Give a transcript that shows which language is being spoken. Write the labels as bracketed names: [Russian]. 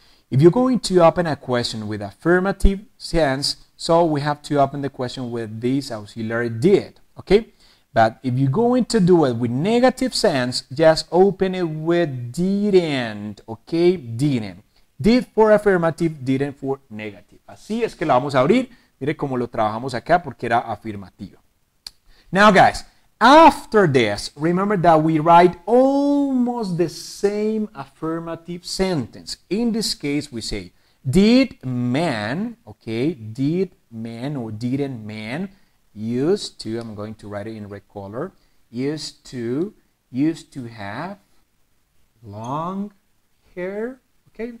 [English] If you're going to open a question with affirmative sense, so we have to open the question with this auxiliary did, okay? But if you're going to do it with negative sense, just open it with didn't, okay? Didn't. Did for affirmative, didn't for negative. [Spanish] Así es que la vamos a abrir. Mire cómo lo trabajamos acá porque era afirmativa. [English] Now, guys. After this, remember that we write almost the same affirmative sentence. In this case, we say, did men, okay, did men or didn't men used to, I'm going to write it in red color, used to have long hair, okay?